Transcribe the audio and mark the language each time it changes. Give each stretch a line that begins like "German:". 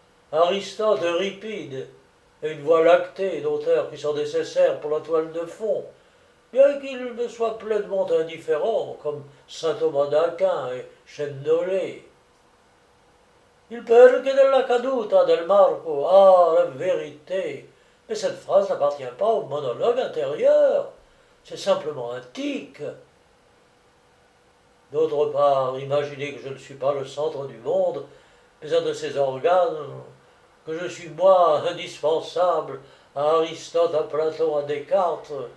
French: Aristote, Euripide et une voie lactée d'auteurs qui sont nécessaires pour la toile de fond. Bien qu'il me soit pleinement indifférent, comme saint Thomas d'Aquin et Chênedollé.
Italian: Il perché della caduta del Marco,
French: ah, la vérité! Mais cette phrase n'appartient pas au monologue intérieur, c'est simplement un tic. D'autre part, imaginez que je ne suis pas le centre du monde, mais un de ses organes, que je suis moi indispensable à Aristote, à Platon, à Descartes.